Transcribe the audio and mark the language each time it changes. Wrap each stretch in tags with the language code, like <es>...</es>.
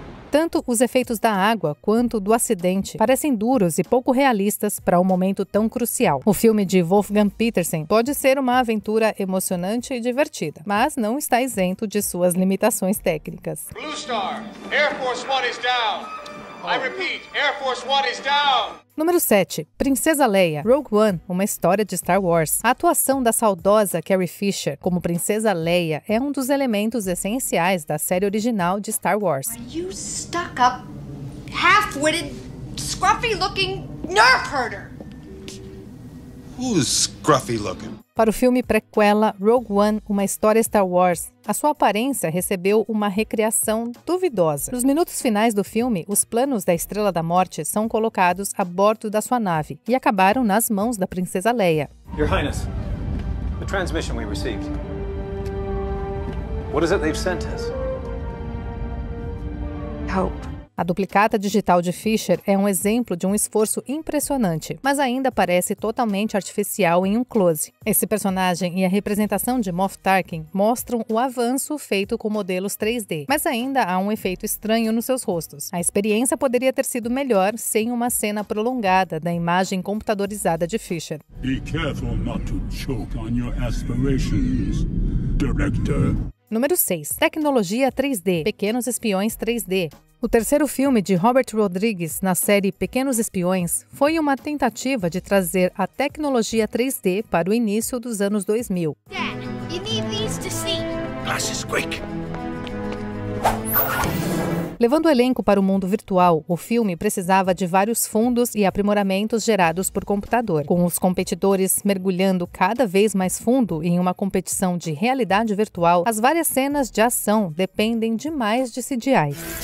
<pt>Tanto os efeitos da água quanto do acidente parecem duros e pouco realistas para um momento tão crucial. O filme de Wolfgang Petersen pode ser uma aventura emocionante e divertida, mas não está isento de suas limitações técnicas.</pt> <en>Blue Star, Air Force One is down. I repeat, Air Force One is down.</en> <pt>Número 7. Princesa Leia. Rogue One, uma história de Star Wars. A atuação da saudosa Carrie Fisher como Princesa Leia é um dos elementos essenciais da série original de Star Wars.</pt> <en>Are you stuck up, half-witted, scruffy-looking nerf herder? Who's scruffy-looking?</en> <pt>Para o filme prequela Rogue One, uma história Star Wars, a sua aparência recebeu uma recriação duvidosa. Nos minutos finais do filme, os planos da Estrela da Morte são colocados a bordo da sua nave e acabaram nas mãos da Princesa Leia.</pt> <en>Your Highness, the transmission we received. What is it they've sent us? Hope.</en> <pt>A duplicata digital de Fisher é um exemplo de um esforço impressionante, mas ainda parece totalmente artificial em um close. Esse personagem e a representação de Moff Tarkin mostram o avanço feito com modelos 3D, mas ainda há um efeito estranho nos seus rostos. A experiência poderia ter sido melhor sem uma cena prolongada da imagem computadorizada de Fisher.</pt> <en>Be careful not to choke on your aspirations, director.</en> <pt>Número 6. Tecnologia 3D. Pequenos Espiões 3D. O terceiro filme de Robert Rodriguez na série Pequenos Espiões foi uma tentativa de trazer a tecnologia 3D para o início dos anos 2000.</pt> <en>Dad, you need these to see. Glasses, quick.</en> <pt>Levando o elenco para o mundo virtual, o filme precisava de vários fundos e aprimoramentos gerados por computador. Com os competidores mergulhando cada vez mais fundo em uma competição de realidade virtual, as várias cenas de ação dependem demais de CGI.</pt>